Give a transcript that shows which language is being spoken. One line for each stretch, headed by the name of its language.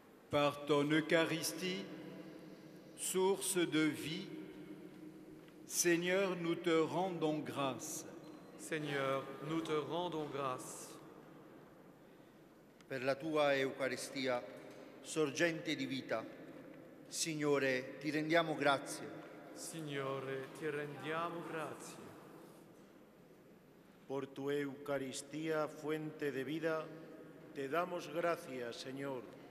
French: Par ton Eucharistie, source de vie, Seigneur, nous te rendons grâce. Seigneur, nous te rendons grâce.
Italian: Per la tua Eucaristia, sorgente di vita, Signore, ti rendiamo grazie. Signore, ti rendiamo grazie.
Spanish: Por tu Eucaristia, fuente de vida, te damos gracias, Señor.